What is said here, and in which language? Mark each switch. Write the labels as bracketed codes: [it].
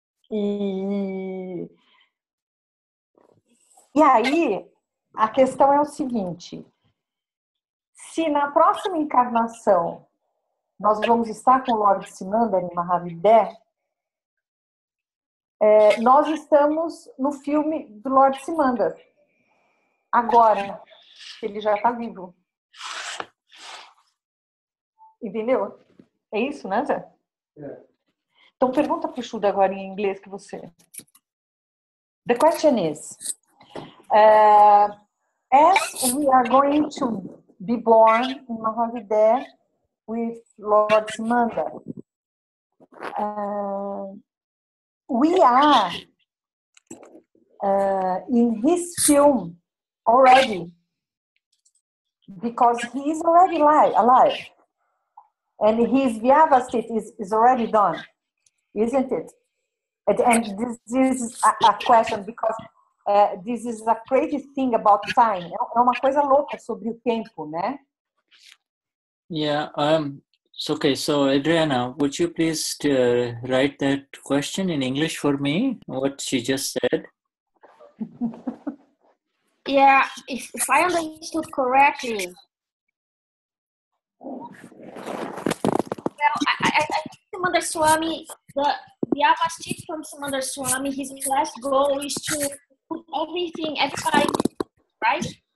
[pt] E aí, a questão é o seguinte: se na próxima encarnação nós vamos estar com o Lord Simandar em Mahavidé, nós estamos no filme do Lord Simandar, agora, ele já está vivo. Entendeu? É isso, né, Zé? É. Então, pergunta para o Shuda agora em inglês que você... [en] The question is, as we are going to be born in Mahavidé with Lord Simandar, we are in his film already, because he is already alive, and his Vyavastit is already done, isn't it? And this is a question, because this is a crazy thing about time. [pt] É uma coisa louca sobre o tempo, né? [en] Yeah. Okay, so Adriana, would you please write that question in English for me, what she just said? Yeah, if I understood correctly. Well, I think Simandar Swami, the Vyavastit from Simandar Swami, his last goal is to put everybody, right?